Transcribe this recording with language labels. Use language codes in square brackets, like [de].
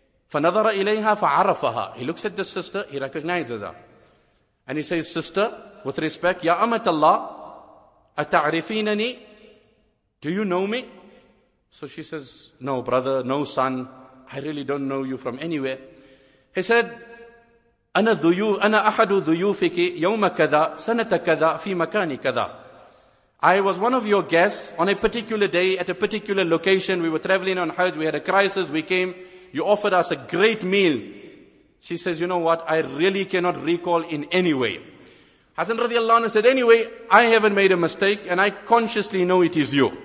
[ar] فَنَظَرَ إِلَيْهَا فَعَرَفَهَا. [en] He looks at the sister, he recognizes her. And he says, sister, with respect, [ar] يَا أَمَتَ اللَّهِ أَتَعْرِفِينَنِي. [en] Do you know me? So she says, no brother, no son, I really don't know you from anywhere. He said, [ar] أَنَا أَحَدُ ذُيُوفِكِ يَوْمَ كَذَا سَنَةَ كَذَا فِي مَكَانِ كَذَا. [en] I was one of your guests on a particular day at a particular location. We were traveling on Hajj, we had a crisis, we came. You offered us a great meal. She says, you know what? I really cannot recall in any way. Hasan radiallahu anhu said, anyway, I haven't made a mistake and I consciously know it is you.